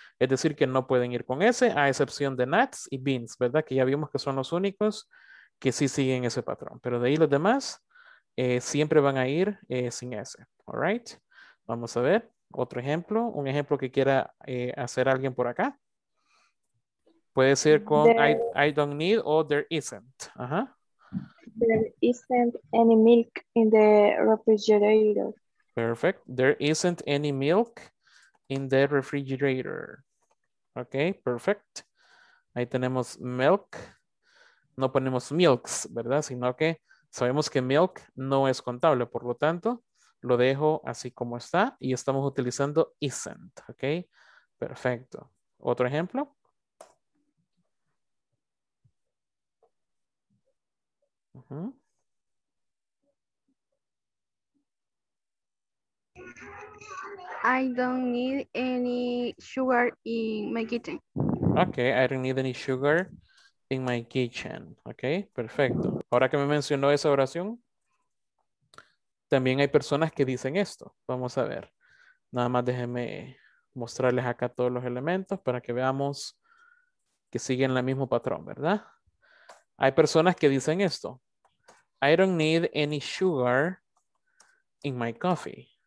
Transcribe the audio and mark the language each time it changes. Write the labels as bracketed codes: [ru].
[es] Es decir, que no pueden ir con S, a excepción de nuts y beans, ¿verdad? Que ya vimos que son los únicos que sí siguen ese patrón. Pero de ahí los demás siempre van a ir sin S, ¿all right? Vamos a ver otro ejemplo, un ejemplo que quiera hacer alguien por acá. Puede ser con I don't need o there isn't. Ajá. [en] There isn't any milk in the refrigerator. Perfect. There isn't any milk in the refrigerator. [es] Okay, perfect. Ahí tenemos milk. No ponemos milks, ¿verdad? Sino que sabemos que milk no es contable. Por lo tanto, lo dejo así como está. Y estamos utilizando isn't. Okay, perfecto. ¿Otro ejemplo? [en] I don't need any sugar in my kitchen. Okay, I don't need any sugar in my kitchen. [es] Okay, perfecto. Ahora que me mencionó esa oración, también hay personas que dicen esto. Vamos a ver. Nada más déjenme mostrarles acá todos los elementos para que veamos que siguen el mismo patrón, ¿verdad? Hay personas que dicen esto. [en] I don't need any sugar in my coffee.